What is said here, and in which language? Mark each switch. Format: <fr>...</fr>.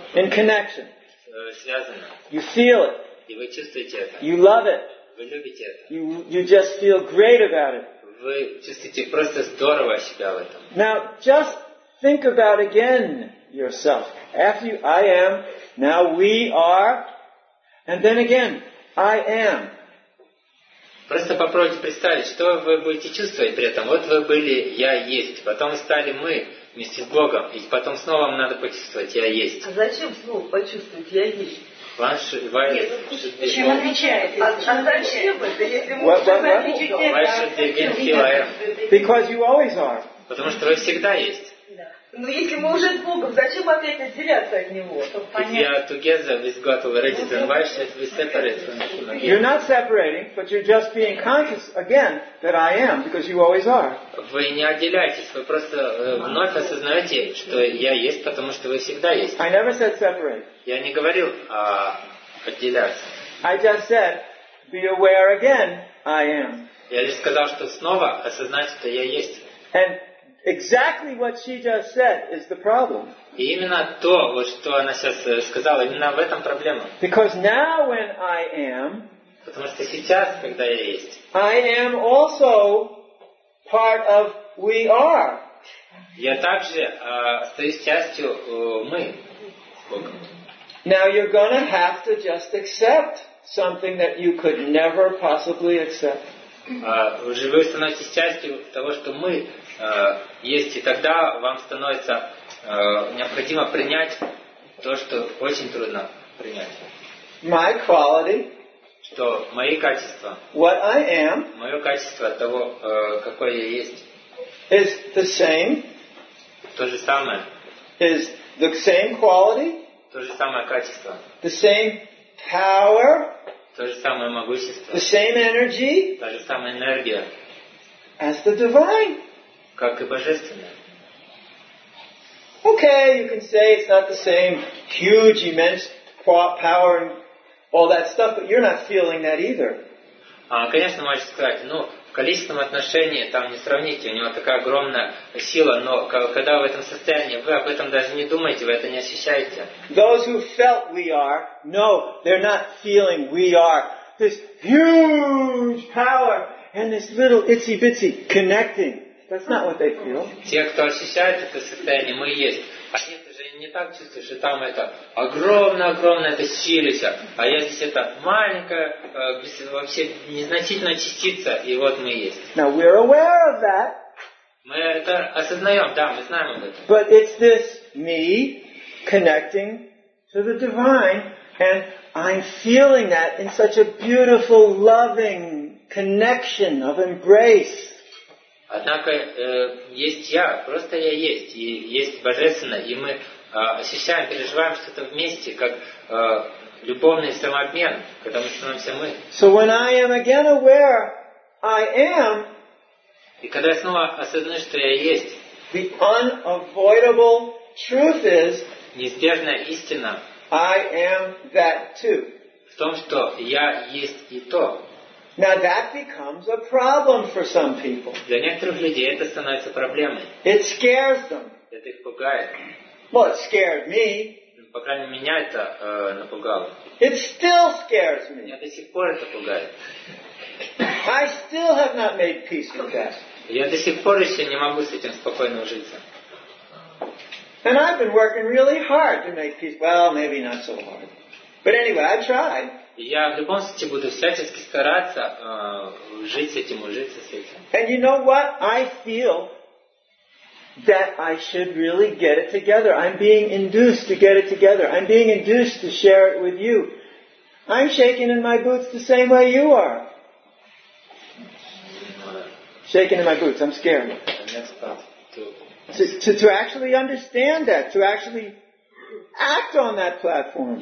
<en>In connection.</en> <ru>Связано.</ru> <en>You feel it.</en> <ru>И вы чувствуете это.</ru> <en>You love it.</en> <ru>Вы любите это.</ru> <en>You just feel great about it.</en> <ru>Вы чувствуете просто здорово себя в этом.</ru> <en>Now, just think about again yourself. After you, I am, now we are, And then again, I am.</en> <ru>Просто попробуйте представить, что вы будете чувствовать при этом. Вот вы были «Я есть», потом стали «Мы» вместе с Богом, и потом снова вам надо почувствовать «Я есть». А зачем слово «почувствовать»? «Я есть»? Ваш, чем отвечаете? А зачем это? Если мы уже отвечаем, потому что вы всегда есть. Но если мы уже с Богом, зачем опять отделяться от Него, чтобы понять?</ru> <en>If you are together with God already, then why should we separate from Him? You're not separating, but you're just being conscious again that I am, because you always are.</en> <ru>Вы не отделяетесь, вы просто вновь осознаете, что я есть, потому что вы всегда есть.</ru> <en>I never said separate.</en> <ru>Я не говорил о отделяться.</ru> <en>I just said, be aware again, I am.</en> <ru>Я лишь сказал, что снова осознать, что я есть.</ru> <en>And exactly what she just said is the problem.</en> <ru>И именно то, вот что она сейчас сказала, именно в этом проблема.</ru> <en>Because now when I am,</en> <ru>потому что сейчас, когда я есть,</ru> <en>I am also part of we are.</en> <ru>Я также стою частью мы.</ru> <en>Now you're gonna have to just accept something that you could never possibly accept.</en> <ru>Уже вы становитесь частью того, что мы есть, и тогда вам становится необходимо принять то, что очень трудно принять.</ru> <en>My quality,</en> <ru>что мои качества,</ru> <en>what I am,</en> <ru>мое качество того, какое я есть,</ru> <en>is the same,</en> <ru>то же самое,</ru> <en>is the same quality,</en> <ru>то же самое качество,</ru> <en>the same power,</en> <ru>то же самое могущество,</ru> <en>the same energy,</en> <ru>та же самая энергия,</ru> <en>as the divine.</en> <ru>Как и божественное.</ru> <en>Okay, you can say it's not the same huge, immense power and all that stuff, but you're not feeling that either.</en> <ru>Конечно, можете сказать, ну, в количественном отношении там не сравните, у него такая огромная сила, но когда вы в этом состоянии, вы об этом даже не думаете, вы это не ощущаете.</ru> <en>Those who felt we are, no, they're not feeling we are. This huge power and this little itsy-bitsy connecting. That's not what they feel.</en> <ru>Те, кто ощущает это состояние, мы есть. А нет, уже не так чувствуешь, что там это огромное-огромное это силище. А я здесь это маленькая, вообще незначительная частица, и вот мы есть.</ru> <en>Now we're aware of that.</en> <ru>Мы это осознаем, да, мы знаем об этом.</ru> <en>But it's this me connecting to the divine, and I'm feeling that in such a beautiful, loving connection of embrace.</en> <ru>Однако есть я, просто я есть, и есть божественное, и мы ощущаем, переживаем что-то вместе, как любовный самообмен, когда мы становимся мы.</ru> <en>So when I am again aware, I am,</en> <ru>и когда я снова осознаю, что я есть,</ru> <en>the unavoidable truth is,</en> <ru>неизбежная истина,</ru> <en>I am that too.</en> <ru>В том, что я есть и то.</ru> <en>Now that becomes a problem for some people.</en> <ru>Для некоторых людей это становится проблемой.</ru> <en>It scares them.</en> <ru>Это их пугает.</ru> <en>Well, it scared me.</en> <ru>По крайней мере, меня это напугало.</ru> <en>It still scares me.</en> <ru>Меня до сих пор это пугает.</ru> <en>I still have not made peace with that.</en> <ru>Я до сих пор еще не могу с этим спокойно ужиться.</ru> <en>And I've been working really hard to make peace. Well, maybe not so hard. But anyway, I tried.</en> <ru>Я в любом случае буду всячески стараться жить с этим, ужиться с этим.</ru> <en>And you know what? I feel that I should really get it together. I'm being induced to get it together. I'm being induced to share it with you. I'm shaking in my boots the same way you are. Shaking in my boots. I'm scared. To actually understand that, to actually act on that platform.</en>